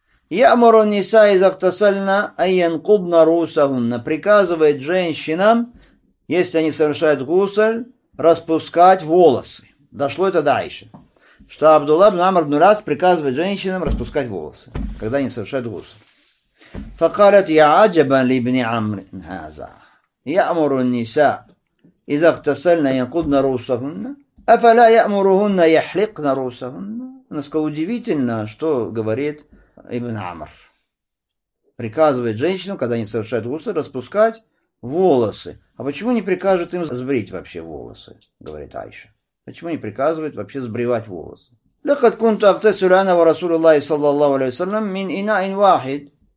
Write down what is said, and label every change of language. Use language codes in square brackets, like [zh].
[ar] Ямуру Ниса Изахтасальна Айян Кубна Русахунна. [ru] Приказывает женщинам, если они совершают гусаль, распускать волосы. Дошло это до Аиши, что Абдулла ибн Амр ибн Ас приказывает женщинам распускать волосы, когда они совершают гусаль. [ar] فقالت يا عجبا لابن عمرو هذا يأمر النساء إذا اغتسلن ينقضن رؤوسهن أفلا يأمرهن يحلقن رؤوسهن. [ru] Насколько удивительно, что говорит ибн Амр. Приказывает женщинам, когда они совершают гусль, распускать волосы. А почему не прикажет им сбрить вообще волосы, говорит Айша. Почему не приказывает вообще сбривать волосы? [ar] لقد كنت أغتسل أنا ورسول الله صلى الله عليه وسلم من إناء واحد.